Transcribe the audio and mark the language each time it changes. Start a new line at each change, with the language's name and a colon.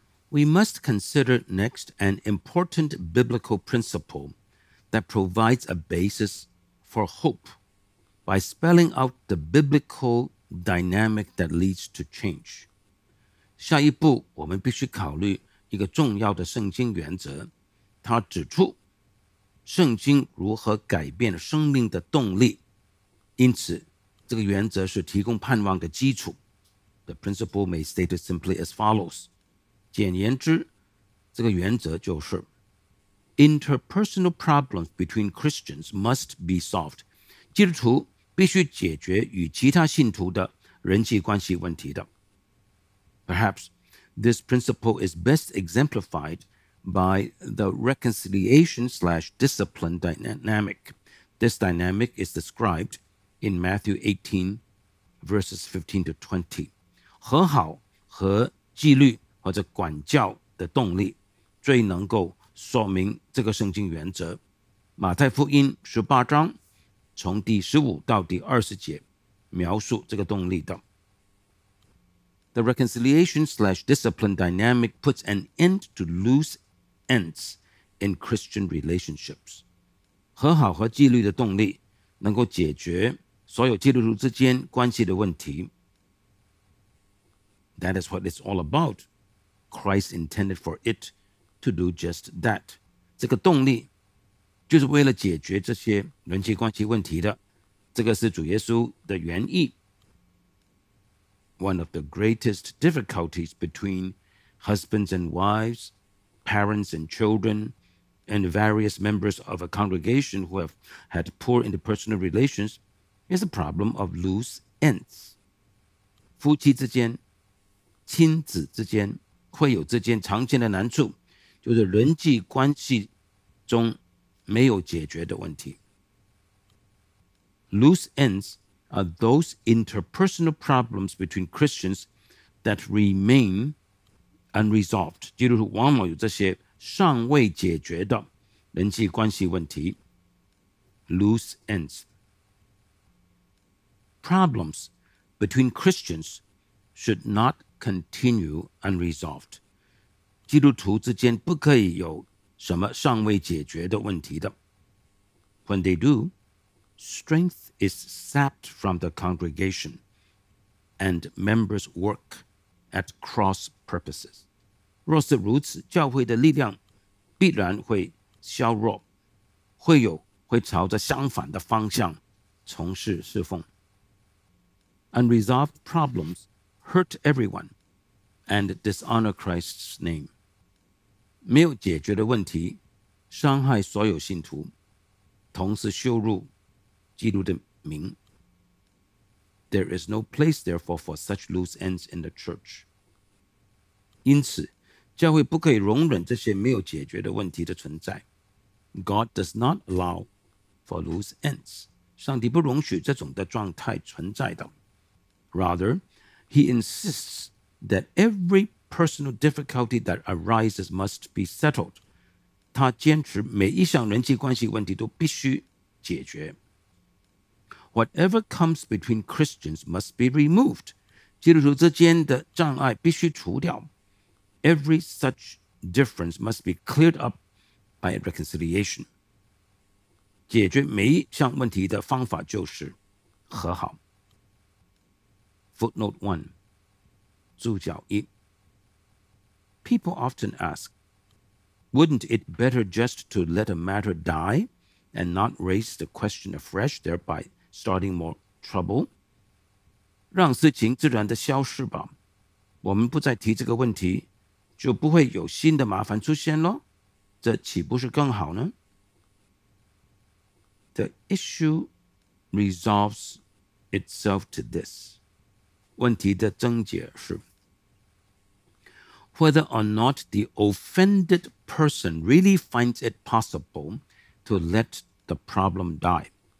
English: We must consider next an important biblical principle that provides a basis for hope by spelling out the biblical dynamic that leads to change.
Chinese: 下一步我们必须考虑一个重要的圣经原则，它指出圣经如何改变生命的动力，因此这个原则是提供盼望的基础。
English: The principle may state it simply as follows.
Chinese: 简言之，这个原则就是
English: Interpersonal problems between Christians must be solved.
Chinese: 基督徒必须解决与其他信徒的人际关系问题的。
English: Perhaps this principle is best exemplified by the reconciliation / discipline dynamic. This dynamic is described in Matthew 18, verses 15 to 20.
Chinese: 和好和纪律或者管教的动力最能够说明这个圣经原则。马太福音18章从第15到第20节描述这个动力的。
English: The reconciliation / discipline dynamic puts an end to loose ends in Christian relationships.
Chinese: 和好和纪律的动力能够解决所有基督徒之间关系的问题。
English: That is what it's all about. Christ intended for it to do just that.
Chinese: 这个动力就是为了解决这些人际关系问题的。这个是主耶稣的原意。
English: One of the greatest difficulties between husbands and wives, parents and children, and various members of a congregation who have had poor interpersonal relations,is a problem of loose ends.
Chinese: 夫妻之间、亲子之间、会友之间常见的难处就是人际关系中没有解决的问题。
English: Loose ends are those interpersonal problems between Christians that remain unresolved.
Chinese: 基督徒往往有这些尚未解决的人际关系问题。
English: Loose ends. Problems between Christians should not continue unresolved.
Chinese: 基督徒之间不可以有什么尚未解决的问题的。
English: When they do, strength is sapped from the congregation, and members work at cross purposes.
Chinese: 若是如此，教会的力量必然会削弱，会有会朝着相反的方向从事侍奉。
English: Unresolved problems hurt everyone and dishonor Christ's name.
Chinese: 没有解决的问题伤害所有信徒，同时羞辱基督的名。
English: There is no place, therefore, for such loose ends in the church.
Chinese: 因此，教会不可以容忍这些没有解决的问题的存在。
English: God does not allow for loose ends.
Chinese: 上帝不容许这种的状态存在的。
English: Rather, he insists that every personal difficulty that arises must be settled.
Chinese: 他坚持每一项人际关系问题都必须解决。
English: Whatever comes between Christians must be removed.
Chinese: 基督徒之间的障碍必须除掉。
English: Every such difference must be cleared up by reconciliation.
Chinese: 解决每一项问题的方法就是和好。
English: Footnote 1,
Chinese: 注脚一.
English: People often ask, wouldn't it better just to let a matter die and not raise the question afresh, thereby starting more trouble?
Chinese: 让事情自然地消失吧。我们不再提这个问题，就不会有新的麻烦出现了。这岂不是更好呢？
English: The issue resolves itself to this.
Chinese: 问题的症结是
English: whether or not the offended person really finds it possible to let the problem die，